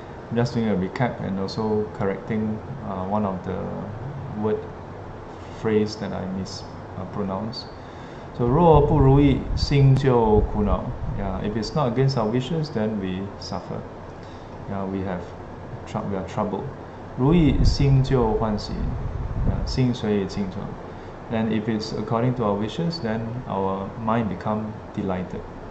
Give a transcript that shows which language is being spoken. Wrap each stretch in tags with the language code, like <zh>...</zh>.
<en>I'm just doing a recap and also correcting one of the word phrase that I mispronounced.</en> <zh>So 若不如意心就苦恼.</zh> <en>Yeah, if it's not against our wishes, then we suffer. Yeah, we are troubled.</en> <zh>如意心就欢喜，心随也清澈。</zh> <en>Then if it's according to our wishes, then our mind become delighted.</en>